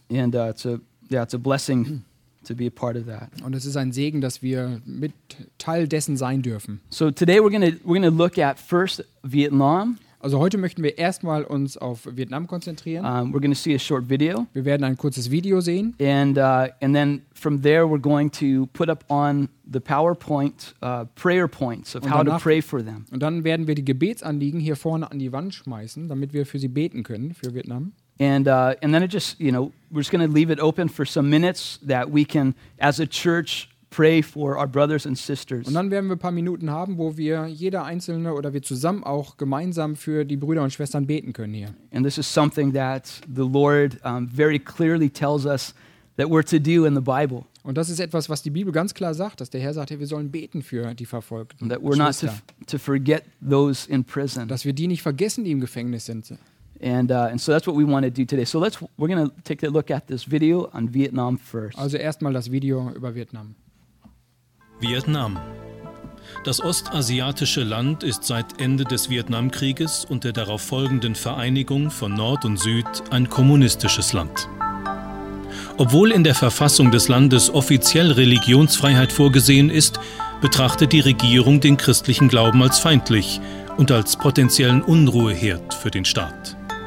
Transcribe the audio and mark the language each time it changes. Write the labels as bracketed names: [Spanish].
[English] And it's a blessing to be a part of that. [German] Und es ist ein Segen, dass wir mit Teil dessen sein dürfen. [English] So today we're gonna look at first Vietnam. [German] Also heute möchten wir erstmal uns auf Vietnam konzentrieren. [English] We're gonna see a short video. [German] Wir werden ein kurzes Video sehen. [English] And then from there we're going to put up on the PowerPoint prayer points of how to pray for them. [German] Und dann werden wir die Gebetsanliegen hier vorne an die Wand schmeißen, damit wir für sie beten können für Vietnam. [English] And then it just, you know, we're just going to leave it open for some minutes that we can, as a church, pray for our brothers and sisters. [German] Und dann werden wir ein paar Minuten haben, wo wir jeder Einzelne oder wir zusammen auch gemeinsam für die Brüder und Schwestern beten können hier. [English] And this is something that the Lord very clearly tells us that we're to do in the Bible. [German] Und das ist etwas, was die Bibel ganz klar sagt, dass der Herr sagt, hey, wir sollen beten für die Verfolgten. [English] That we're not to forget those in prison. [German] Dass wir die nicht vergessen, die im Gefängnis sind. [English] And so that's what we want to do today. So we're going to take a look at this video on Vietnam first. [German] Also erstmal das Video über Vietnam. Vietnam. Das ostasiatische Land ist seit Ende des Vietnamkrieges und der darauf folgenden Vereinigung von Nord und Süd ein kommunistisches Land. Obwohl in der Verfassung des Landes offiziell Religionsfreiheit vorgesehen ist, betrachtet die Regierung den christlichen Glauben als feindlich und als potenziellen Unruheherd für den Staat.